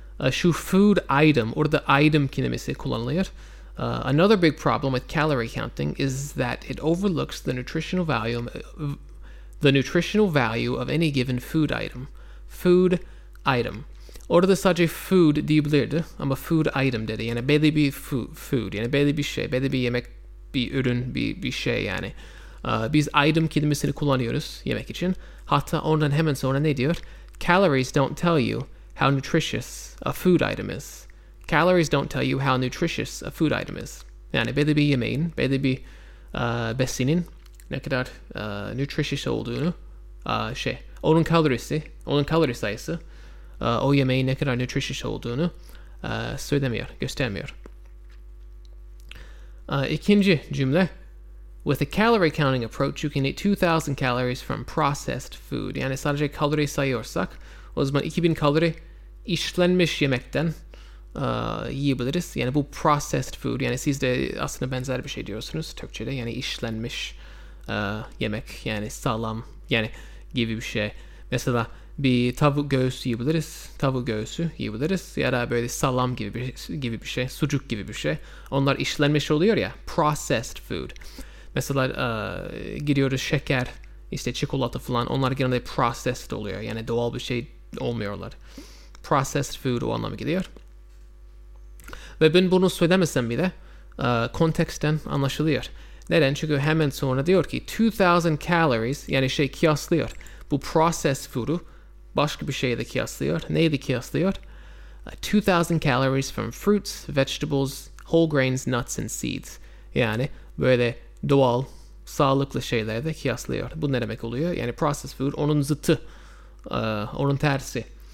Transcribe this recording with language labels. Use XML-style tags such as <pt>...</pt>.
<tr>Şu food item, orada item kelimesi kullanılıyor.</tr> <en>Another big problem with calorie counting is that it overlooks the nutritional value of any given food item. Food item.</en> <tr>Orada sadece food diyebilirdi ama food item dedi. Yani belli bir food, yani belli bir şey, belli bir yemek, bir ürün, bir şey yani. Biz item kelimesini kullanıyoruz yemek için. Hatta ondan hemen sonra ne diyor?</tr> <en>Calories don't tell you how nutritious a food item is. Calories don't tell you how nutritious a food item is.</en> <tr>Yani belli bir yemeğin, belli bir besinin ne kadar nutritious olduğunu şey. Onun kalori sayısı o yemeğin ne kadar nutritious olduğunu söylemiyor, göstermiyor. İkinci cümle.</tr> <en>With a calorie counting approach, you can eat 2,000 calories from processed food.</en> <tr>Yani sadece kalori sayıyorsak, o zaman 2,000 kalori işlenmiş yemekten yiyebiliriz. Yani bu processed food, yani siz de aslında benzer bir şey diyorsunuz Türkçe'de, yani işlenmiş yemek, yani salam, yani gibi bir şey. Mesela bir tavuk göğsü yiyebiliriz, tavuk göğsü yiyebiliriz ya da böyle salam gibi bir şey, sucuk gibi bir şey. Onlar işlenmiş oluyor ya, processed food. Mesela gidiyoruz şeker, işte çikolata falan, onlar genelde processed oluyor, yani doğal bir şey olmuyorlar. Processed food o anlamı geliyor. Ve ben bunu söylemesem bile konteksten anlaşılıyor. Neden? Çünkü hemen sonra diyor ki 2,000 calories, yani şey kıyaslıyor. Bu processed food'u başka bir şeyle kıyaslıyor. Neyle kıyaslıyor?</tr> <en>2,000 calories from fruits, vegetables, whole grains, nuts and seeds.</en> <tr>Yani böyle doğal, sağlıklı şeylere de kıyaslıyor. Bu ne demek oluyor? Yani processed food onun zıtı, onun tersi.</tr>